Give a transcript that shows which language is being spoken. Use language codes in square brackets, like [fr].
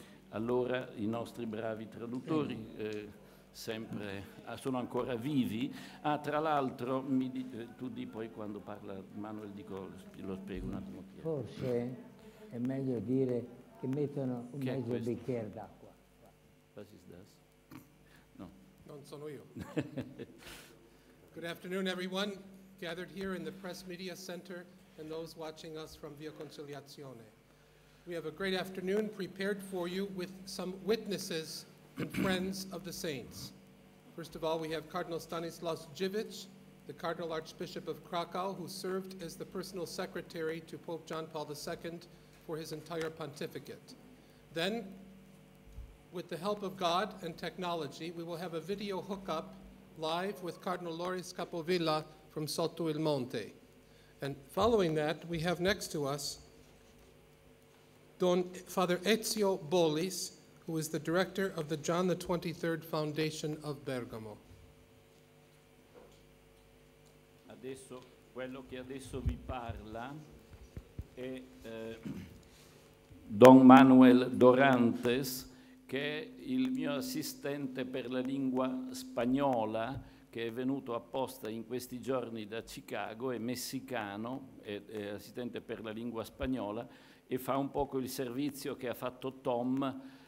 [it] Allora, i nostri bravi traduttori sono ancora vivi. Ah, tra l'altro, tu di poi quando parla Manuel, lo spiego un attimo. Forse è meglio dire che mettono un che mezzo bicchiere d'acqua. [en] What is this? No. [it] Non sono io. [en] Good afternoon, everyone, gathered here in the Press Media Center and those watching us from Via Conciliazione. We have a great afternoon prepared for you with some witnesses and friends of the saints. First of all, we have Cardinal Stanislaus Dziwisz, the Cardinal Archbishop of Krakow, who served as the personal secretary to Pope John Paul II for his entire pontificate. Then, with the help of God and technology, we will have a video hookup live with Cardinal Loris Capovilla from Sotto il Monte. And following that, we have next to us Father Ezio Bolis, who is the director of the John the 23rd Foundation of Bergamo. [it] Adesso, quello che adesso vi parla è Don Manuel Dorantes, che è il mio assistente per la lingua spagnola, che è venuto apposta in questi giorni da Chicago, è messicano, è assistente per la lingua spagnola e fa un poco il servizio che ha fatto Tom